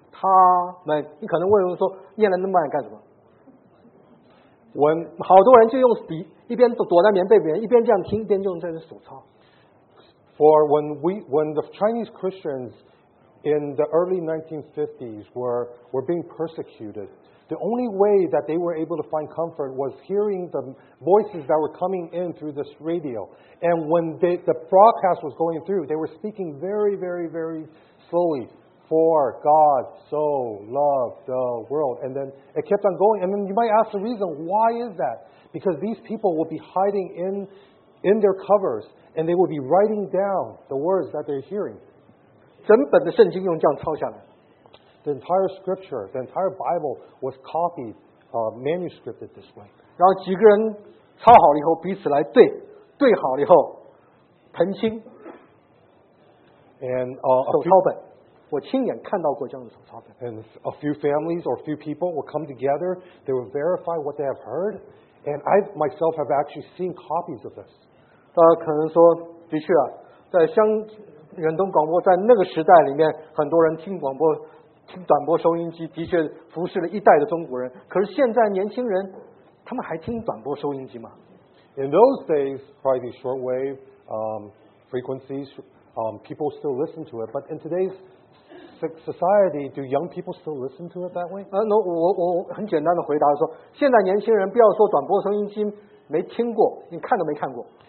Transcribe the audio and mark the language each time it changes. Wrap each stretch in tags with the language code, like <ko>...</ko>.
<zh>他们，你可能问人说，念了那么慢干什么？我好多人就用笔，一边躲在棉被里面，一边这样听，一边就用这个手抄。</zh> <en>For when the Chinese Christians in the early 1950s were being persecuted, the only way that they were able to find comfort was hearing the voices that were coming in through this radio. And when the broadcast was going through, they were speaking very, very, very slowly. For God so loved the world. And then it kept on going. And then you might ask the reason, why is that? Because these people will be hiding in their covers and they will be writing down the words that they're hearing.</en> <zh>整本的圣经用这样抄下来。</zh> <en>The entire scripture, the entire Bible was copied, manuscripted this way.</en> <zh>然后几个人抄好了以后彼此来对，对好了以后澄清。</zh> <en>And,</en> <zh>手抄本。我亲眼看到过这样的手抄本。</zh> <en>And a few families or a few people will come together, they will verify what they have heard, and I myself have actually seen copies of this.</en> <zh>大家可能说的确啊，在香远东广播在那个时代里面很多人听广播听短波收音机的确服侍了一代的中国人，可是现在年轻人他们还听短波收音机吗？</zh> <en>In those days, probably shortwave frequencies, people still listen to it, but in today's society, do young people still listen to it that way?</en> <zh>No, 我很简单的回答说，现在年轻人不要说短波收音机没听过，你看都没看过。</zh>